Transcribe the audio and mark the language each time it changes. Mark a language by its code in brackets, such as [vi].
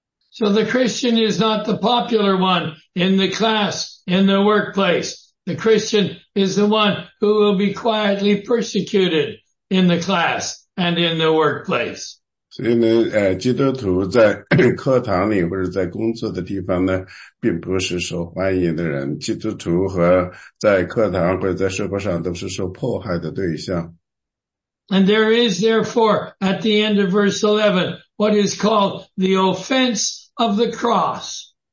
[en] So the Christian is not the popular one in the class, in the workplace. The Christian is the one who will be quietly persecuted in the class and in the workplace. [zh] 所以呢，基督徒在课堂里或者在工作的地方呢，并不是受欢迎的人。基督徒和在课堂或者在社会上都是受迫害的对象。 [en] And there is therefore, at the end of verse 11, what is called the offense of the cross.